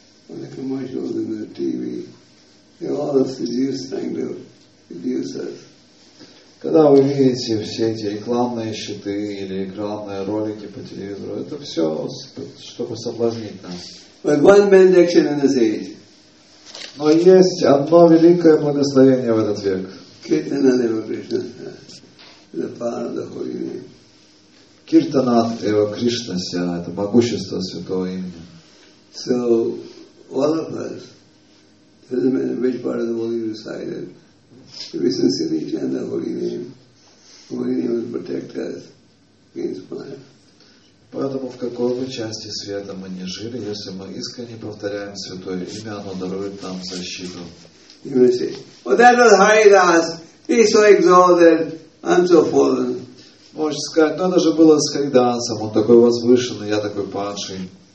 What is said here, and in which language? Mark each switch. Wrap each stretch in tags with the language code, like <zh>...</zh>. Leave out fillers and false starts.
<en>On the commercials and the TV, they all seduce, trying to seduce us.</en> <ru>Когда вы видите все эти рекламные щиты или рекламные ролики по телевизору, это все, чтобы соблазнить нас.</ru> <en>But one benediction in this age.</en> <ru>Но есть одно великое благословение в этот век.</ru> <en>Kirtana Deva Krishna, the power of the holy name.</en> <ru>Kirtana Deva Krishna, это могущество святого имени.</ru> <en>So. All of us, doesn't matter which part of the world you reside in, we sincerely chant the holy name. The holy name will protect us against Maya.</en> <ru>Поэтому в какой бы части света мы ни жили, если мы искренне повторяем святое имя, оно дарует нам защиту.</ru> <en>You may say, "Oh, that was Haridas. He's so exalted. I'm so fallen."</en> <ru>Можете сказать, "Но это же было с Харидасом. Он такой возвышенный, я такой падший."</ru>